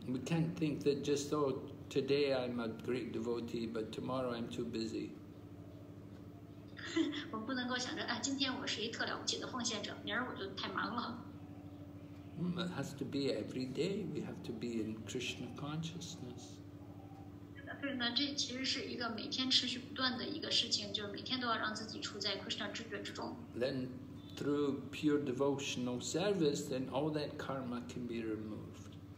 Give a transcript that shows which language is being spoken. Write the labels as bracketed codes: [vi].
[en] can't think that just oh, today I'm a great devotee, but tomorrow I'm too busy. [zh] 我们不能够想着，哎，今天我是一特了不起的奉献者，明儿我就太忙了。 [en] It has to be every day. We have to be in Krishna consciousness. [zh] 对呢，这其实是一个每天持续不断的一个事情，就是每天都要让自己处在 Krishna 知觉之中。 [en] Then through pure devotional service, then all that karma can be removed.